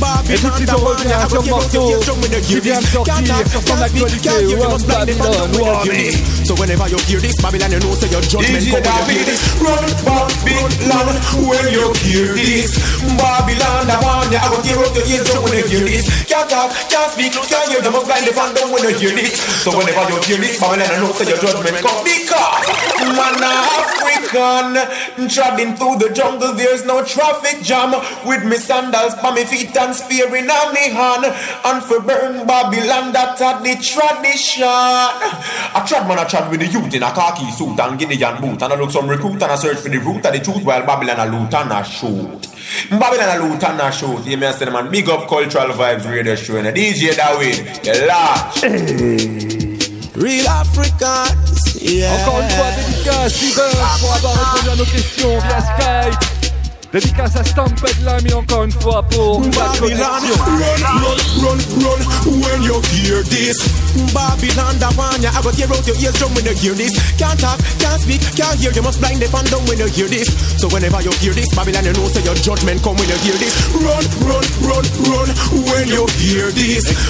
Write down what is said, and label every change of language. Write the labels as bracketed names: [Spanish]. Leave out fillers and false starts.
[French] et tout de suite, on revient à son morceau qui vient de sortir sur l'actualité Run Babylon. [English] So whenever you hear this, Babylon, you know, so your judgment come when you hear this. Run, Babylon, when you hear this. Babylon, I want you, I will tear up your ears up when you hear this. Can't talk, can't speak, can't hear, the most blind, they found out when you hear this. So whenever you hear this, Babylon, you know, so your judgment come. Because man, African, trodding through the jungle, there's no traffic jam. With me sandals by me feet and spear in a me hand. And for burn Babylon, that had the tradition. A trad man, I chat with the youth in a khaki suit and Guinean boot, and I look some recruit and I search for the root of the truth while Babylon a loot and a shoot. Babylon a loot and a shoot. You may say, man, big up Cultural Vibes Radio Show. And DJ Dawid, the large. Real Africans, yeah. [French] Encore une fois, dédicace, D-Burns, pour avoir répondu à nos questions via Skype. Dédicace à Stamped Lamy, encore une fois, pour la connexion. [English] Run, run, run, run, when you hear this. Babylon, that one, yeah, I go tear out your ears drum when you hear this. Can't talk, can't speak, can't hear, you must blind the fandom when you hear this. So whenever you hear this, Babylon, you know, say your judgment come when you hear this. Run, run, run, run, when you hear this.